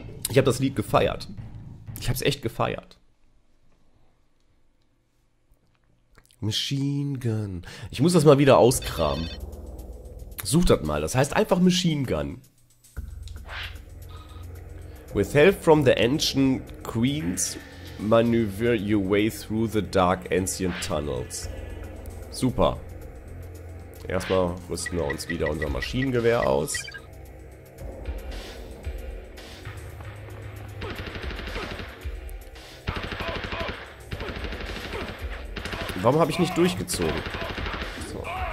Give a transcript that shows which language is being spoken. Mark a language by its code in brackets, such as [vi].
[de] Ich habe das Lied gefeiert. Ich habe es echt gefeiert. Machine Gun. Ich muss das mal wieder auskramen. Such das mal. Das heißt einfach Machine Gun. [en] With help from the ancient queens, maneuver your way through the dark ancient tunnels. [de] Super. Erstmal rüsten wir uns wieder unser Maschinengewehr aus. Warum habe ich nicht durchgezogen? So.